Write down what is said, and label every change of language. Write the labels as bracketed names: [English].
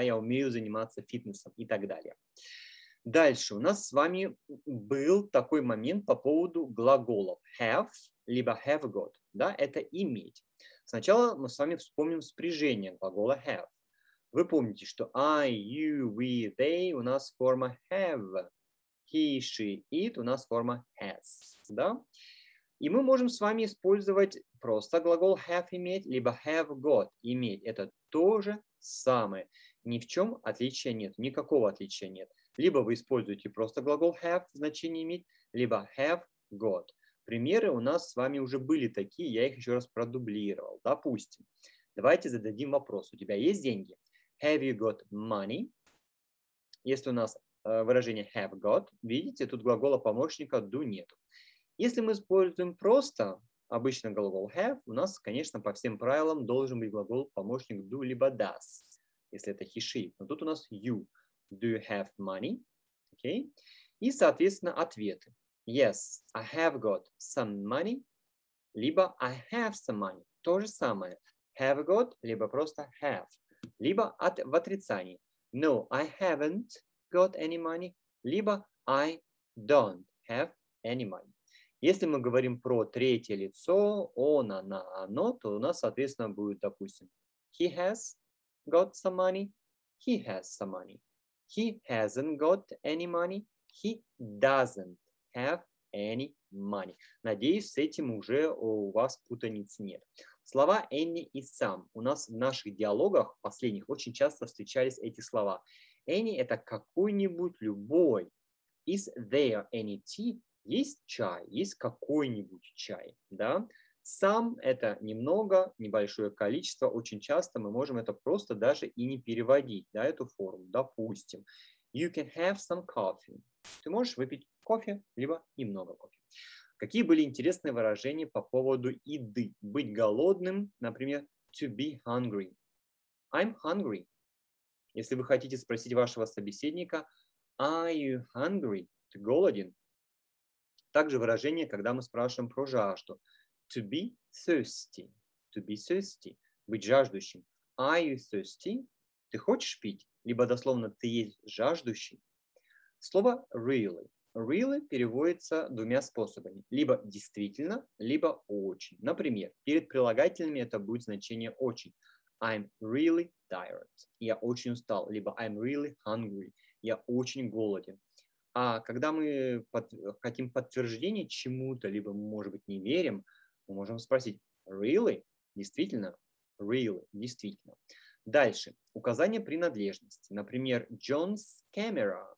[Russian] Я умею заниматься фитнесом и так далее. Дальше у нас с вами был такой момент по поводу глаголов have, либо have got. Да, это иметь. Сначала мы с вами вспомним спряжение глагола have. Вы помните, что I, you, we, they у нас форма have. He, she, it у нас форма has. Да? И мы можем с вами использовать просто глагол have иметь, либо have got иметь. Это то же самое. Ни в чем отличия нет, никакого отличия нет. Либо вы используете просто глагол have в значении иметь, либо have got. Примеры у нас с вами уже были такие, я их еще раз продублировал. Допустим, давайте зададим вопрос. У тебя есть деньги? [English] Have you got money? [Russian] Если у нас выражение have got, видите, тут глагола помощника do нет. Если мы используем просто обычно глагол have, у нас, конечно, по всем правилам должен быть глагол помощник do либо does, если это he, she. Но тут у нас you. [English] Do you have money? Okay. [Russian] И, соответственно, ответы. [English] Yes, I have got some money, либо I have some money. [Russian] То же самое. [English] Have got, либо просто have. [Russian] Либо в отрицании. [English] No, I haven't got any money, либо I don't have any money. [Russian] Если мы говорим про третье лицо, он, она, оно, то у нас, соответственно, будет, допустим, [English] he has got some money, [Russian] he has some money. [English] He hasn't got any money, he doesn't have any money. [Russian] Надеюсь, с этим уже у вас путаниц нет. Слова any и some. У нас в наших диалогах последних очень часто встречались эти слова. Any – это какой-нибудь, любой. [English] Is there any tea? [Russian] Есть чай, есть какой-нибудь чай. Да? Some – это немного, небольшое количество. Очень часто мы можем это просто даже и не переводить, да, эту форму. [English] Допустим, you can have some coffee. [Russian] Ты можешь выпить кофе, либо немного кофе. Какие были интересные выражения по поводу еды? Быть голодным, например, to be hungry. [English] I'm hungry. [Russian] Если вы хотите спросить вашего собеседника, [English] are you hungry? [Russian] Ты голоден? Также выражение, когда мы спрашиваем про жажду. [English] To be thirsty. To be thirsty. [Russian] Быть жаждущим. [English] Are you thirsty? [Russian] Ты хочешь пить? Либо дословно, ты есть жаждущий. Слово really. Really переводится двумя способами. Либо действительно, либо очень. Например, перед прилагательными это будет значение очень. [English] I'm really tired. [Russian] Я очень устал. [English] Либо I'm really hungry. [Russian] Я очень голоден. А когда мы хотим подтверждение чему-то, либо мы, может быть, не верим, мы можем спросить really? Действительно? Really? Действительно. Дальше. Указание принадлежности. [English] Например, John's camera.